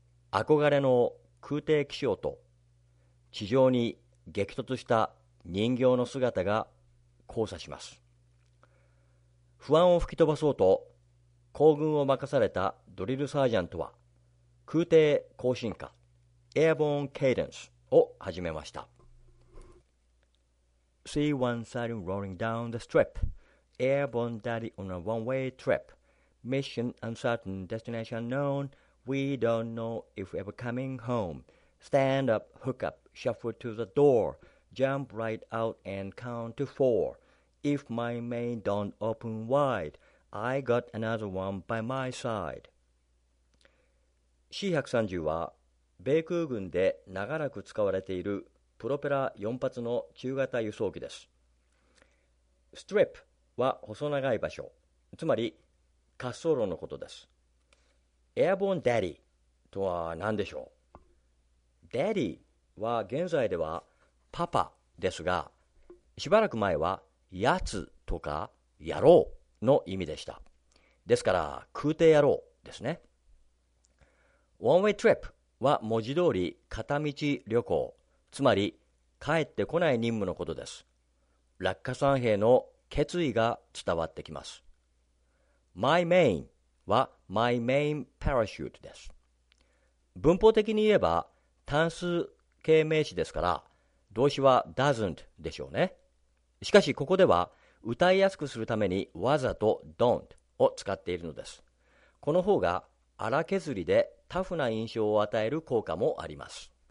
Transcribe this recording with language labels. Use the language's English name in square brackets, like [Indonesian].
[Japanese] 憧れの空挺気象と地上に激突した人形の姿が交差します。不安を吹き飛ばそうと後軍を任されたドリルサージャントは空挺行進歌 Airborne Cadence を始めました。 [English] See one siren rolling down the strip, Airborne daddy on a one-way trip, Mission uncertain, destination unknown, We don't know if ever coming home, Stand up, hook up, shuffle to the door, Jump right out and count to four, If my main don't open wide, I got another one by my side。 [Japanese] C-130 は米空軍で長らく使われているプロペラ4発の中型輸送機です。 Strip は細長い場所、つまり滑走路のことです。 Airborne Daddy とは何でしょう。Daddy は現在ではパパですが、しばらく前はやつとか野郎の意味でした。ですから空挺野郎ですね。One way trip は文字通り片道旅行、つまり帰ってこない任務のことです。落下傘兵の決意が伝わってきます。 My main は My main parachute です。文法的に言えば単数形名詞ですから、動詞は doesn't でしょうね。しかしここでは歌いやすくするためにわざと don't を使っているのです。この方が荒削りでタフな印象を与える効果もあります。